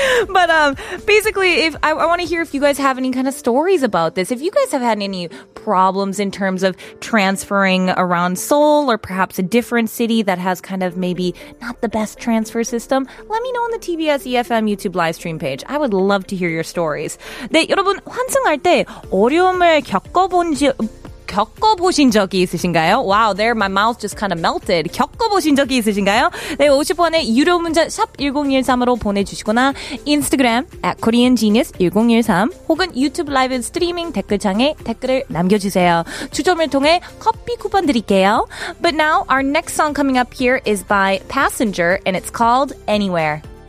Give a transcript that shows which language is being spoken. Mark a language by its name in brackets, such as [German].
[English] But basically, if I want to hear if you guys have any kind of stories about this. If you guys have had any problems in terms of transferring around Seoul or perhaps a different city that has kind of maybe not the best transfer system, let me know on the TBS EFM YouTube live stream page. I would love to hear your stories. [Korean] 네, 여러분, 환승할 때 어려움을 겪어보신 적이 있으신가요? [English] Wow, there my mouth just kind of melted. [Korean] 겪어보신 적이 있으신가요? 네, 50원의 유료 문자 샵 1013으로 보내주시거나 인스타그램 @koreangenius1013 혹은 유튜브 라이브 스트리밍 댓글창에 댓글을 남겨주세요. 추첨을 통해 커피 쿠폰 드릴게요. [English] But now our next song coming up here is by Passenger and it's called Anywhere.